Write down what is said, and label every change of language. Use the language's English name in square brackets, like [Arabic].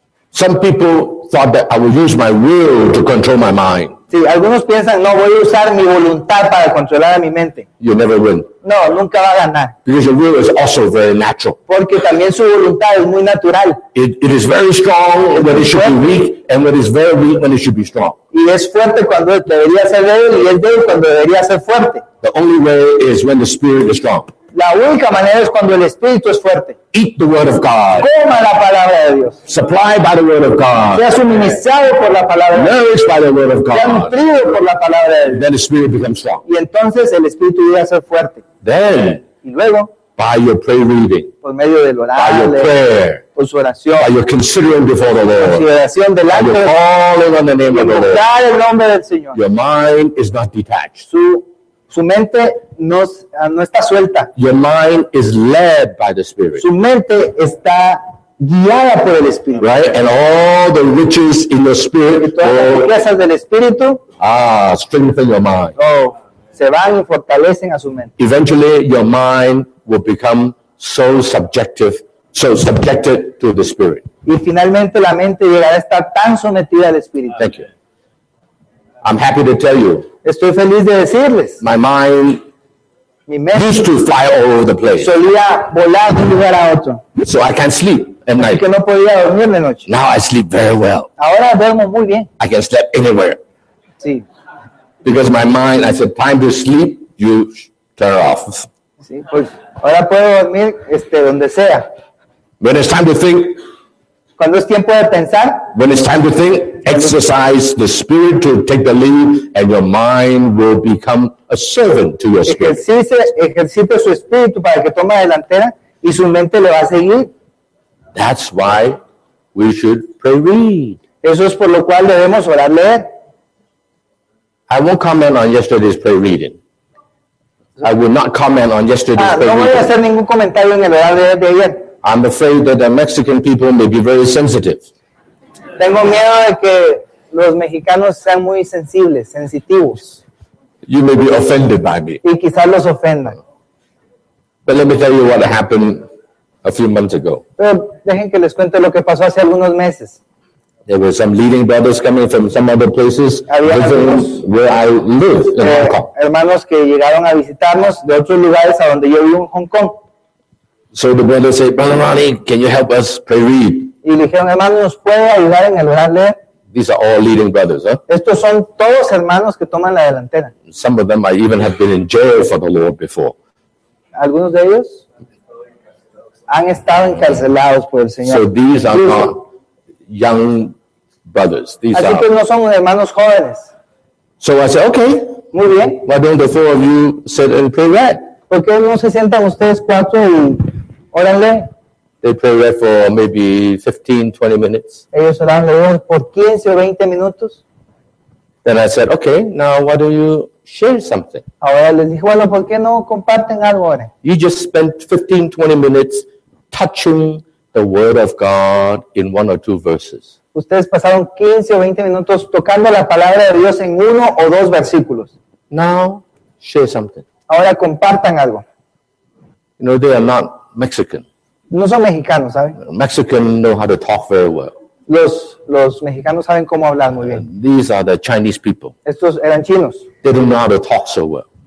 [English] Some people thought that I would use my will to control my mind. [Spanish] Sí, algunos piensan, no, voy a usar mi voluntad para controlar a mi mente. [English] You never win. [Spanish] No, nunca va a ganar. [English] Because your will is also very natural. [Spanish] Porque también su voluntad es muy natural. [English] It is very strong when it should be weak, and when it's very weak when it should be strong. [Spanish] Y es fuerte cuando debería ser débil, y es débil cuando debería ser fuerte. [English] The only way is when the spirit is strong. [Spanish] La única manera es cuando el espíritu es fuerte. [English] Eat the word of God. [Spanish] Coma la palabra de Dios. [English] Supplied by the word of God. [Spanish] Sea suministrado por la palabra. [English] Nourished by the word of God. [Spanish] Sea nutrido por la palabra de Dios. [English] Then the spirit becomes strong. [Spanish] Y entonces el espíritu llega a ser fuerte. [English] Then. [Spanish] Y luego. [English] By your prayer reading. [Spanish] Por medio del orar. [English] By your prayer. [Spanish] Por su oración. [English] By your considering before the Lord. [Spanish] Consideración delante. [English] By your calling on the name of the Lord. [Spanish] Invocar el nombre del Señor. [English] Your mind is not detached. [Spanish] Su mente no está suelta. [English] Your mind is led by the Spirit. [Spanish] Su mente está guiada por el Espíritu. [English] Right, and all the riches in the Spirit. [Spanish] Y todas las riquezas del Espíritu. [English] Strengthen your mind. [Spanish] Se van y fortalecen a su mente. [English] Eventually, your mind will become so subjected to the Spirit. [Spanish] Y finalmente la mente llegará a estar tan sometida al Espíritu. [English] Thank you. I'm happy to tell you. [Spanish] Estoy feliz de decirles. [English] My mind used to fly all over the place. [Spanish] Solía volar de un lugar a otro. [English] So I can sleep at night. [Spanish] Que no podía dormir de noche. [English] Now I sleep very well. [Spanish] Ahora duermo muy bien. [English] I can sleep anywhere. [Spanish] Sí. [English] Because my mind, I said, time to sleep, you turn off. [Spanish] Sí, pues ahora puedo dormir donde sea. [English] When it's time to think. [Spanish] Cuando es tiempo de pensar. [English] When it's time to think. Exercise the spirit to take the lead, and your mind will become a servant to your spirit. [Spanish] Ejercite su espíritu para que tome la delantera, y su mente le va a seguir. [English] That's why we should pray-read. [Spanish] Eso es por lo cual debemos orar leer. [English] I won't comment on yesterday's pray-reading. I will not comment on yesterday's pray-reading. [Spanish] No voy a hacer ningún comentario en el orar leer de ayer. [English] I'm afraid that the Mexican people may be very sensitive. [Spanish] Tengo miedo de que los mexicanos sean muy sensibles, sensitivos. [English] You may be offended by me. [Spanish] Y quizás los ofendan. [English] But let me tell you what happened a few months ago. [Spanish] Pero dejen que les cuente lo que pasó hace algunos meses. [English] There were some leading brothers coming from some other places, where I live in Hong Kong. [Spanish] Hermanos que llegaron a visitarnos de otros lugares a donde yo vivo en Hong Kong. [English] So the brother said, "Brother Mali, can you help us pray read?" [Spanish] Y le dijeron, hermano, ¿nos puede ayudar en el orar leer? [English] These are all leading brothers, huh? [Spanish] Estos son todos hermanos que toman la delantera. [English] Some of them I even have been in jail for the Lord before. [Spanish] Algunos de ellos han estado encarcelados por el Señor. [English] So these are not young brothers. These [Spanish] así [English] are. [Spanish] Que no son hermanos jóvenes. [English] So I said, okay. [Spanish] Muy bien. [English] Why don't the four of you sit and pray read? [Spanish] ¿Por qué no se sientan ustedes cuatro y órale? [English] They pray read for maybe 15-20 minutes. [Spanish] Ellos oran por 15 o 20 minutos. [English] Then I said, okay, now why don't you share something? [Spanish] Ahora les dije, bueno, ¿por qué no comparten algo ahora? [English] You just spent 15-20 minutes touching the word of God in one or two verses. [Spanish] Ustedes pasaron 15 o 20 minutos tocando la palabra de Dios en uno o dos versículos. [English] Now share something. [Spanish] Ahora compartan algo. [English] You know, they are not Mexican. [Spanish] No son mexicanos, ¿saben? [English] Mexicans know how to talk very well. [Spanish] Los mexicanos saben cómo hablar muy bien. [English] These are the Chinese people. [Spanish] Estos eran chinos. [English] They don't know how to talk so well.